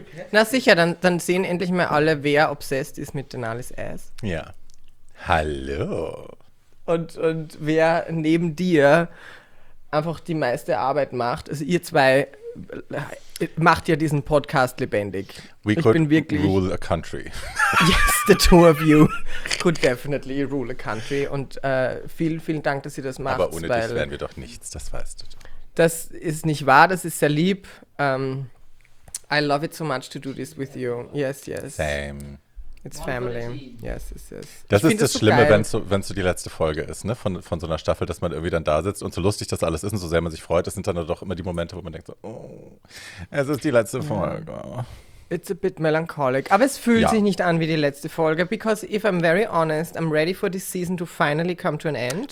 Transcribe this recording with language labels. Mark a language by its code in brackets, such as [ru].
[de] Na sicher, dann sehen endlich mal alle, wer obsessed ist mit Denalis Ass. Ja. Hallo. Und wer neben dir einfach die meiste Arbeit macht. Also ihr zwei macht ja diesen Podcast lebendig. [en] Rule a country. Yes, the two of you could definitely rule a country. [de] Und vielen, vielen Dank, dass ihr das macht. Aber ohne dich wären wir doch nichts, das weißt du. Das ist nicht wahr, das ist sehr lieb. [en] I love it so much to do this with you. Yes, yes. Same. It's family. Yes, yes, yes. [de] Das ist das Schlimme, wenn es so die letzte Folge ist, ne, von so einer Staffel, dass man irgendwie dann da sitzt und so lustig das alles ist und so sehr man sich freut, das sind dann doch immer die Momente, wo man denkt so, oh, es ist die letzte Folge. [en] It's a bit melancholic. [de] Aber es fühlt sich nicht an wie die letzte Folge, [en] because if I'm very honest, I'm ready for this season to finally come to an end.